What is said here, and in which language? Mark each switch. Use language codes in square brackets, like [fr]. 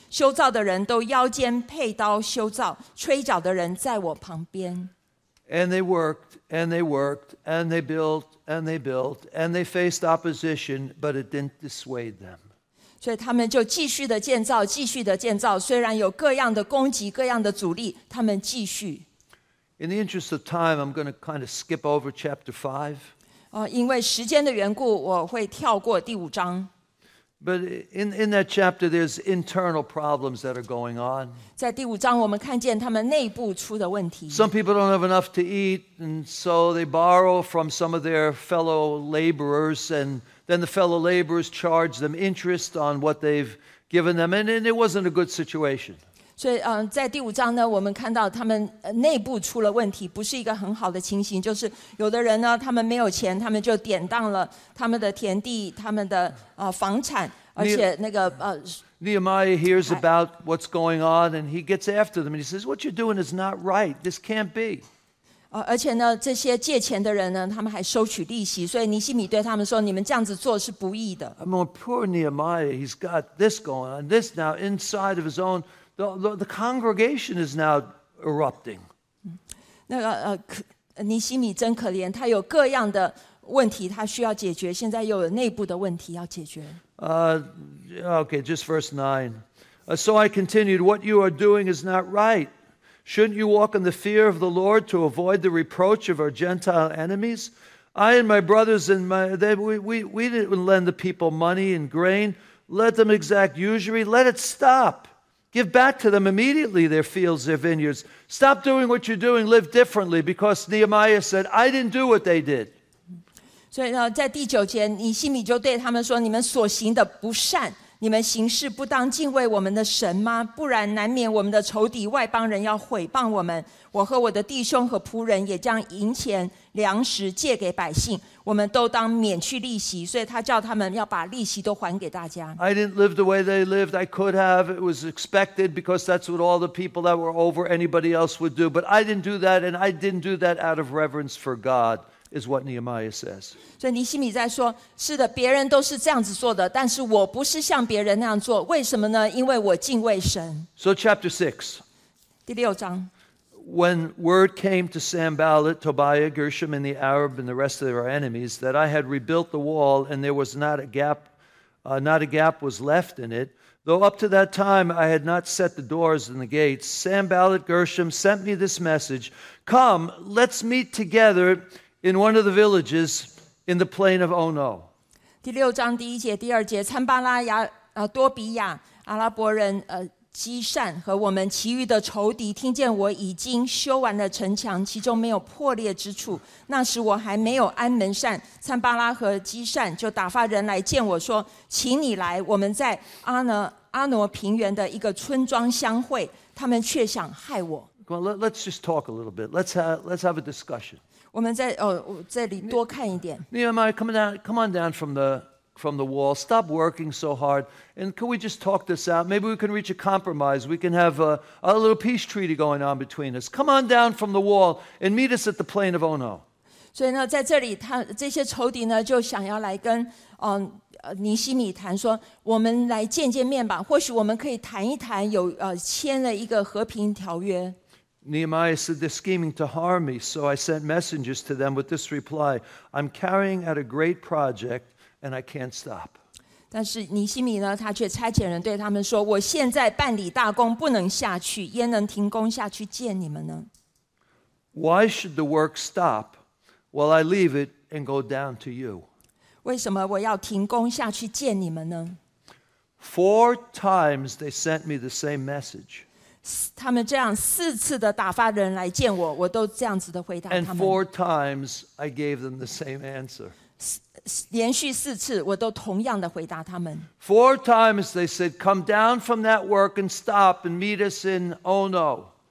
[zh] 修造的人都腰间佩刀修造，吹角的人在我旁边。 [en] And they worked, and they worked, and they built, and they built, and they faced opposition, but it didn't dissuade them. [zh] 所以他们就继续的建造，继续的建造。虽然有各样的攻击，各样的阻力，他们继续。 [en] In the interest of time, I'm going to kind of skip over chapter 5. [zh] 因为时间的缘故，我会跳过第五章。 [en] But in that chapter, there's internal problems that are going on. [zh] 在第五章，我们看见他们内部出的问题。 [en] Some people don't have enough to eat, and so they borrow from some of their fellow laborers and. Then the fellow laborers charged them interest on what they've given them, and it wasn't a good situation. [zh] 所以，在第五章呢，我们看到他们内部出了问题，不是一个很好的情形。就是有的人呢，他们没有钱，他们就典当了他们的田地、他们的房产，而且那个 [en] Nehemiah hears about what's going on, and he gets after them, and he says, "What you're doing is not right. This can't be." [zh] 而且呢，这些借钱的人呢，他们还收取利息，所以尼希米对他们说：“你们这样子做是不义的。” [en] Poor Nehemiah, he's got this going on. This now inside of his own, the congregation is now erupting. [zh] 那个尼希米真可怜，他有各样的问题，他需要解决。现在又有内部的问题要解决。 [en] Okay, just verse 9. So I continued, "What you are doing is not right." Shouldn't you walk in the fear of the Lord to avoid the reproach of our Gentile enemies? I and my brothers and we didn't lend the people money and grain. Let them exact usury. Let it stop. Give back to them immediately their fields, their vineyards. Stop doing what you're doing. Live differently. Because Nehemiah said, I didn't do what they did. [zh] 所以呢，在第九节，尼希米就对他们说：“你们所行的不善。” 你们行事不当敬畏我们的神吗？不然难免我们的仇敌外邦人要毁谤我们。我和我的弟兄和仆人也将银钱粮食借给百姓，我们都当免去利息。所以他叫他们要把利息都还给大家。 [en] I didn't live the way they lived. I could have. It was expected because that's what all the people that were over anybody else would do. But I didn't do that, and I didn't do that out of reverence for God. Is what Nehemiah says. [zh] 所以尼希米在说，是的，别人都是这样子做的，但是我不是像别人那样做。为什么呢？因为我敬畏神。 [en] So chapter 6. [zh] 第六章。 [en] When word came to Sanballat, Tobiah, Gershom, and the Arab, and the rest of their enemies that I had rebuilt the wall, and there was not a gap was left in it, though up to that time I had not set the doors and the gates, Sanballat, Gershom sent me this message: Come, let's meet together. In one of the villages in the plain of Ono. [zh] 第六章第一节第二节，参巴拉亚多比亚阿拉伯人基善和我们其余的仇敌听见我已经修完了城墙，其中没有破裂之处。那时我还没有安门扇，参巴拉和基善就打发人来见我说：“请你来，我们在阿挪平原的一个村庄相会。” 他们却想害我。 [en] Well, let's just talk a little bit. Let's have a discussion. [zh] 我们在这里多看一点。 [en] Nehemiah, come on down from the wall. Stop working so hard. And can we just talk this out? Maybe we can reach a compromise. We can have a little peace treaty going on between us. Come on down from the wall and meet us at the plain of Ono. [zh] 所以呢，在这里，这些仇敌呢，就想要来跟尼希米谈说，我们来见见面吧。或许我们可以谈一谈，有签了一个和平条约。 [en] Nehemiah said, they're scheming to harm me, so I sent messengers to them with this reply, I'm carrying out a great project, and I can't stop. [zh] 但是尼希米呢，他却差遣人对他们说，我现在办理大功，不能下去，焉能停工下去见你们呢？ [en] Why should the work stop while I leave it and go down to you? [zh] 为什么我要停工下去见你们呢？ [en] Four times they sent me the same message. [zh] 他们这样四次的打发人来见我，我都这样子的回答他们。 [en] And four times I gave them the same answer. [zh] 连续四次我都同样的回答他们。 [en] Four times they said, come down from that work and stop and meet us in Ono.